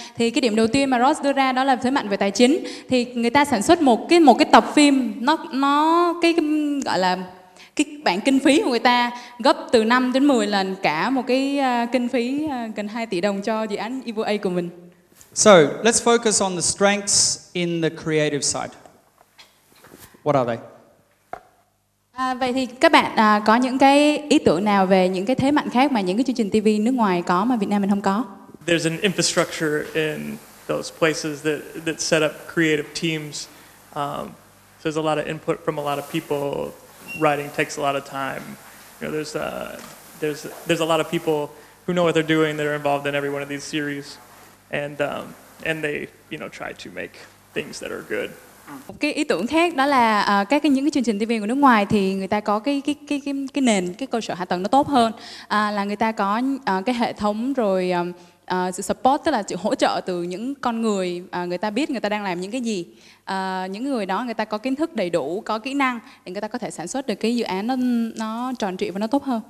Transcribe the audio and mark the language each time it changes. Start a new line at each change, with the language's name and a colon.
Vietnamese: Thì cái điểm đầu tiên mà Ross đưa ra đó là thế mạnh về tài chính. Thì người ta sản xuất một cái tập phim nó cái gọi là cái bản kinh phí của người ta gấp từ 5 đến 10 lần cả một cái kinh phí gần 2 tỷ đồng cho dự án EVA của mình.
English: So, let's focus on the strengths in the creative side. What are they?
Vietnamese: Vậy thì các bạn có những cái ý tưởng nào về những cái thế mạnh khác mà những cái chương trình TV nước ngoài có mà Việt Nam mình không có?
English: There's an infrastructure in those places that set up creative teams. So there's a lot of input from a lot of people. Writing takes a lot of time. You know, there's a lot of people who know what they're doing that are involved in every one of these series, and they, you know, try to make things that are good.
Vietnamese: Một cái ý tưởng khác đó là những cái chương trình TV của nước ngoài thì người ta có cái nền, cái cơ sở hạ tầng nó tốt hơn, là người ta có cái hệ thống rồi sự support, tức là sự hỗ trợ từ những con người, người ta biết người ta đang làm những cái gì, những người đó người ta có kiến thức đầy đủ, có kỹ năng thì người ta có thể sản xuất được cái dự án nó tròn trịa và nó tốt hơn.